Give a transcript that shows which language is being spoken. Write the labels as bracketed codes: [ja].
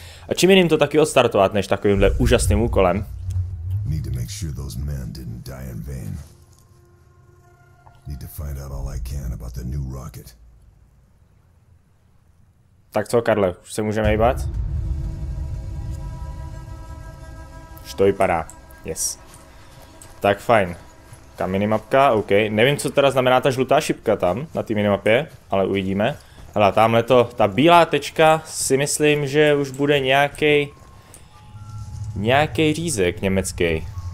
[cs] A čím jiným to taky odstartovat, než takovýmhle úžasným úkolem? [en] Need to make sure those men didn't die in vain. Need to find out all I can about the new rocket. [cs] Tak co, Karle, už se můžeme hýbat? To vypadá. [en] Yes. [cs] Tak fajn. Ta minimapka, OK. Nevím, co teda znamená ta žlutá šipka tam, na té minimapě, ale uvidíme. Hele, tamhle to, ta bílá tečka, si myslím, že už bude nějaký řízek německý.